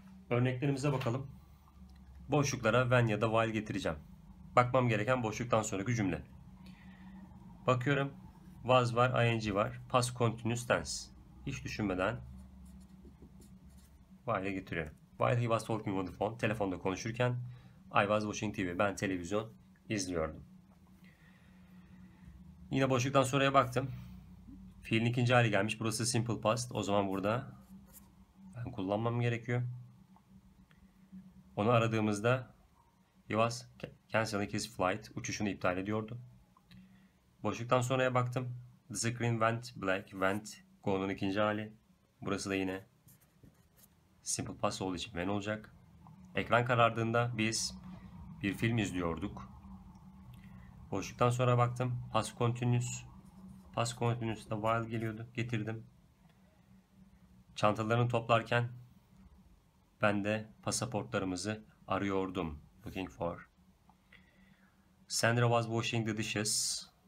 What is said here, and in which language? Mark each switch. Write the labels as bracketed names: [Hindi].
[Turkish] Örneklerimize bakalım. Boşluklara when ya da while getireceğim. Bakmam gereken boşluktan sonraki cümle. Bakıyorum. Was var, ing var. Past continuous tense. Hiç düşünmeden while'e getiriyorum. [English] While he was talking on the phone, [Turkish] telefonda konuşurken [English] I was watching TV. [Turkish] Ben televizyon izliyordum. Yine boşluktan sonraya baktım. Fiilin ikinci hali gelmiş. Burası simple past. O zaman burada ben kullanmam gerekiyor. Onu aradığımızda [English] he was canceling his flight. [Turkish] Uçuşunu iptal ediyordu. Boşluktan sonraya baktım. [English] The screen went black. [Turkish] Went gone'un ikinci hali. Burası da yine simple past olduğu için when olacak. Ekran karardığında biz bir film izliyorduk. Boşluktan sonra baktım. Past continuous. Past continuous da while geliyordu. Getirdim. Çantalarını toplarken ben de pasaportlarımızı arıyordum. [English] Looking for. Sandra was washing the dishes.